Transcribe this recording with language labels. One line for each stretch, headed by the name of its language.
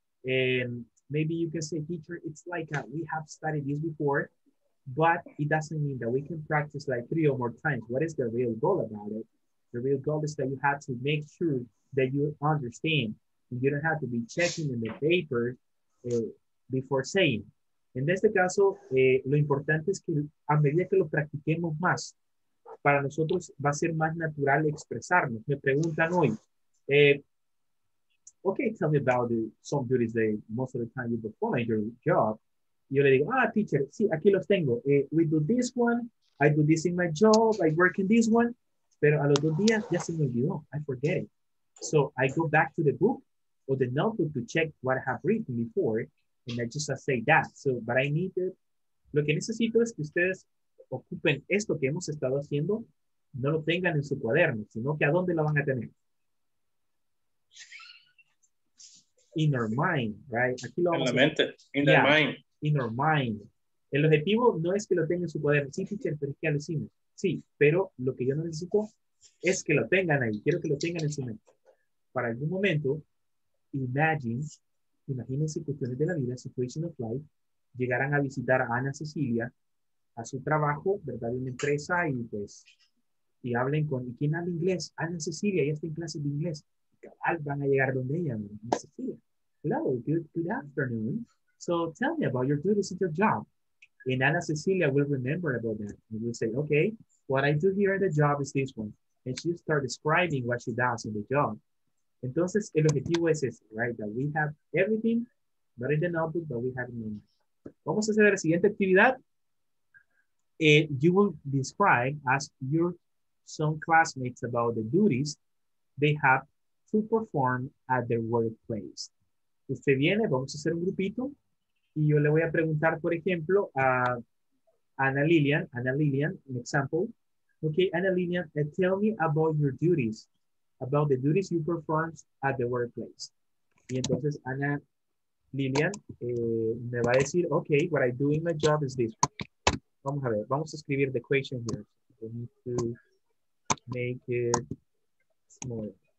English: And maybe you can say, teacher, it's like we have studied this before. but it doesn't mean that we can practice like three or more times. What is the real goal about it? The real goal is that you have to make sure that you understand. You don't have to be checking in the paper before saying.
Spanish: En este caso, lo importante es que a medida que lo practiquemos más, para nosotros va a ser más natural expresarnos. Me preguntan hoy,
English: okay, tell me about some duties that most of the time you perform at your job.
Spanish: Yo le digo, ah, teacher, sí, aquí los tengo.
English: We do this one, I do this in my job, I work in this one.
Spanish: Pero a los dos días ya se me olvidó,
English: I forget it. So I go back to the book or the notebook to check what I have written before, and I just say that. So, but I need it.
Spanish: Lo que necesito es que ustedes ocupen esto que hemos estado haciendo, no lo tengan en su cuaderno, sino que ¿a dónde lo van a tener?
English: In our mind, right?
Spanish: Aquí lo vamos en la mente,
English: in our mind. In our mind.
Spanish: El objetivo no es que lo tenga en su cuaderno. Sí, teacher, pero es que alucino. Sí, pero lo que yo necesito es que lo tengan ahí. Quiero que lo tengan en su mente. Para algún momento, imagínense cuestiones de la vida,
English: situation of life,
Spanish: llegarán a visitar a Ana Cecilia, a su trabajo, ¿verdad? De una empresa y pues, y hablen con, ¿y quién habla inglés? Ana Cecilia, ella está en clases de inglés. Cabal, van a llegar donde ella, Ana Cecilia.
English: Hello, good afternoon. So tell me about your duties at your job. And Ana Cecilia will remember about that. And will say, okay, what I do here at the job is this one. And she'll start describing what she does in the job.
Spanish: Entonces, el objetivo es ese,
English: right? That we have everything, not in the notebook, but we have in the mind.
Spanish: Vamos a hacer la siguiente actividad.
English: You will describe, ask your some classmates about the duties they have to perform at their workplace.
Spanish: Usted viene, vamos a hacer un grupito. Y yo le voy a preguntar, por ejemplo, a Ana Lilian.
English: Ana Lilian, an example. Okay, Ana Lilian, tell me about your duties. About the duties you perform at the workplace.
Spanish: Y entonces Ana Lilian me va a decir,
English: okay, what I do in my job is this.
Spanish: Vamos a ver, vamos a escribir
English: the equation here. We need to make it smaller.